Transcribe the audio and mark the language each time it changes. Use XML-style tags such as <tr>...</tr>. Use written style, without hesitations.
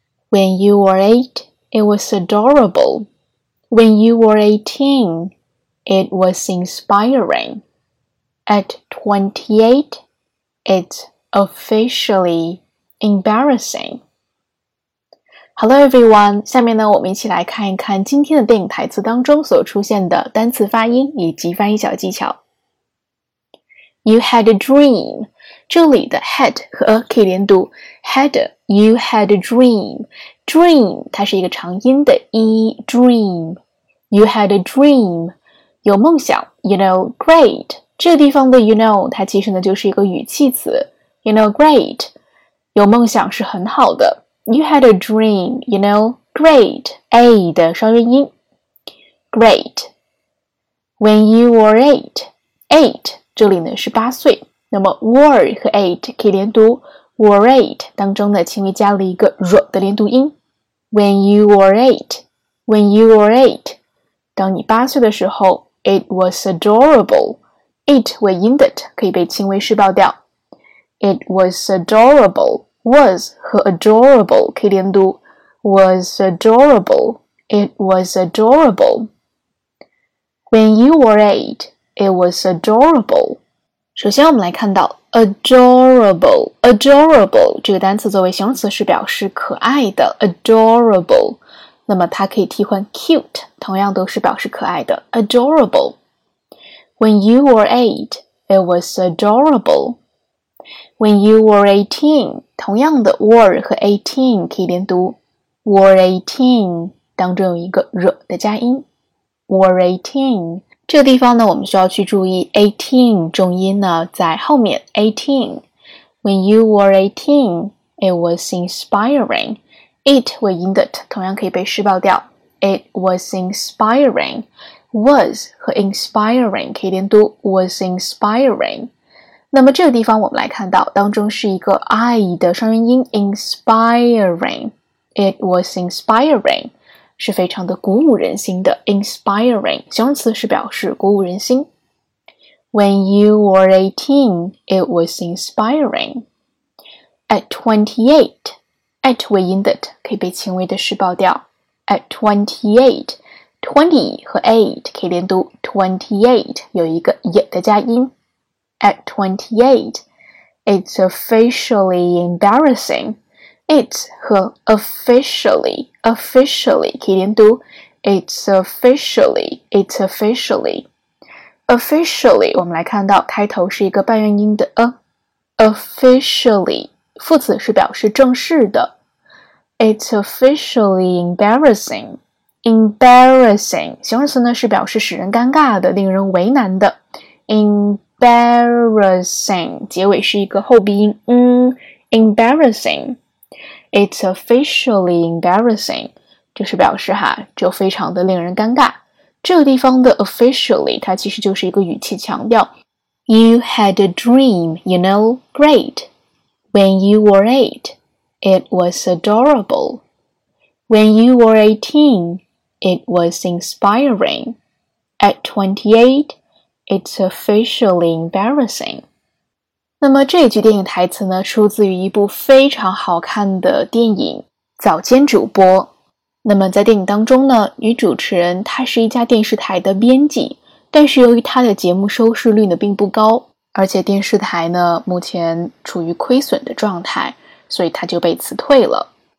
<en>When you were 8, it was adorable. When you were 18, it was inspiring. At 28, it's officially embarrassing. Hello, everyone.</en> <zh>下面呢，我们一起来看一看今天的电影台词当中所出现的单词发音以及发音小技巧。</zh> <en>You had a dream.</en> <zh>这里的 had 和 a 可以连读 had.</zh> <en>You had a dream.</en> <zh>Dream 它是一个长音的 e dream.</zh> <en>You had a dream.</en> <zh>有梦想</zh> <en>You know, great.</en> <zh>这个地方的 you know 它其实呢就是一个语气词</zh> <en>You know, great.</en> <zh>有梦想是很好的。</zh> <en>You had a dream, you know, great. A 的双元音。Great. When you were eight.</en> <zh>Eight, 这里呢是八岁。那么 were 和 eight 可以连读。 Were eight, 当中呢轻微加了一个 r 的连读音。</zh> <en>When you were eight. When you were eight.</en> <zh>当你八岁的时候</zh> <en>it was adorable.</en> <zh>It 尾音的 t 可以被轻微释爆掉。</zh> <en>It was adorable. Was 和 adorable 可以连读 Was adorable It was adorable When you were eight It was adorable</en> <zh>首先我们来看到 Adorable Adorable 这个单词作为形容词是表示可爱的 Adorable 那么它可以替换 cute 同样都是表示可爱的 Adorable</zh> <en>When you were eight It was adorable When you were 18</en> <zh>同样的 were 和 18 可以连读 were 18当中有一个 r 的加音 were 18这个地方呢我们需要去注意18重音呢在后面 18</zh> <en>When you were 18 It was inspiring</en> <zh>It 尾音的 t 同样可以被释爆掉 It was inspiring Was 和 inspiring 可以连读 was inspiringNo么这个地方我们来看到当中是一个 I 的双元音 inspiring.</zh> <en>It was inspiring.</en> <zh>是非常的鼓舞人心的</zh> <en>inspiring.</en> <zh>形容词是表示鼓舞人心。</zh> <en>When you were 18, it was inspiring.</en> <zh>At 28, at 尾音的 t 可以被轻微的释爆掉。 At 28, 20和 8 可以连读 28, 有一个 y 的加音。</zh> <en>At 28, it's officially embarrassing. It's 和 officially, officially</en> <zh>可以连读</zh> <en>It's officially, it's officially.</en> <zh>Officially, 我们来看到开头是一个半元音的 a. Officially, 副词是表示正式的。</zh> <en>It's officially embarrassing.</en> <zh>Embarrassing, 形容词呢是表示使人尴尬的、令人为难的。 Embarrassing 结尾是一个后鼻音、embarrassing It's officially embarrassing 就是表示哈就非常的令人尴尬这个地方的 officially 它其实就是一个语气强调</zh> <en>You had a dream, you know, great When you were 8 It was adorable When you were 18 It was inspiring At 28It's officially embarrassing.</en> <zh>那么这句电影台词呢出自于一部非常好看的电影早间主播。那么在电影当中呢女主持人她是一家电视台的编辑但是由于她的节目收视率呢并不高而且电视台呢目前处于亏损的状态所以她就被辞退了。</zh>